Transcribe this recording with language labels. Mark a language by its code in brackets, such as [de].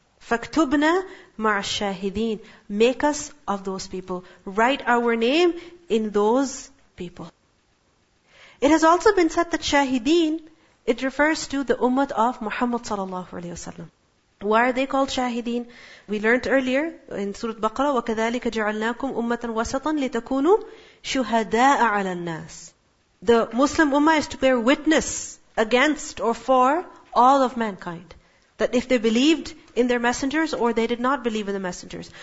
[ar] فَاكْتُبْنَا مَعَ الشَّاهِدِينَ. [en] Make us of those people. Write our name in those people. It has also been said that shahideen, it refers to the ummah of Muhammad sallallahu alayhi wasallam. Why are they called shahideen? We learned earlier in Surah Baqarah, [ar] وَكَذَلِكَ جَعَلْنَاكُمْ أُمَّةً وَسَطًا لِتَكُونُوا شُهَدَاءَ عَلَى النَّاسِ. [en] The Muslim ummah is to bear witness against or for all of mankind. that if they believed in their messengers or they did not believe in the messengers.